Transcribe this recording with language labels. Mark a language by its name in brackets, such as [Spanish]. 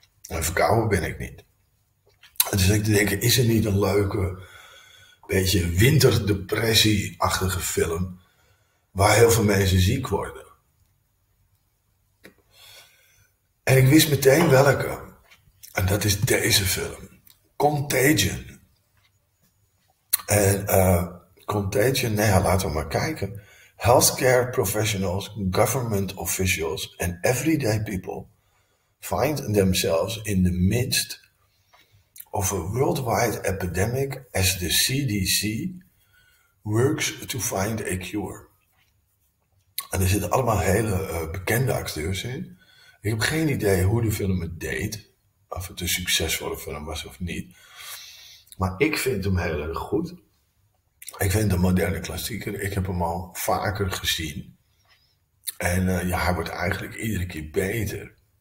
[Dutch] En verkouden ben ik niet. Dus ik denk, is er niet een leuke, beetje winterdepressie-achtige film waar heel veel mensen ziek worden? En ik wist meteen welke. En dat is deze film. Contagion. En Contagion, nee, laten we maar kijken. [English] Healthcare professionals, government officials and everyday people find themselves in the midst of a worldwide epidemic as the CDC works to find a cure. [Dutch] En er zitten allemaal hele bekende acteurs in. Ik heb geen idee hoe de film het deed, of het een succesvolle film was of niet. Maar ik vind hem heel erg goed. Ik vind hem een moderne klassieker. Ik heb hem al vaker gezien. En ja, hij wordt eigenlijk iedere keer beter.